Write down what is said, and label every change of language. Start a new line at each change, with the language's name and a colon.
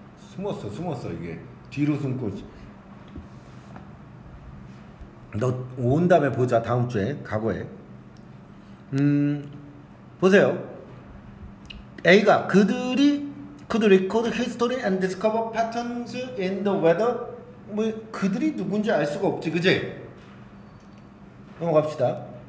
Korean: 숨었어, 숨었어, 이게. 뒤로 숨고. 너 온 다음에 보자, 다음 주에. 과거에. 보세요. A가 그들이
English: could record history and discover patterns in the weather.
Korean: 뭐, 그들이 누군지 알 수가 없지, 그지? 넘어갑시다.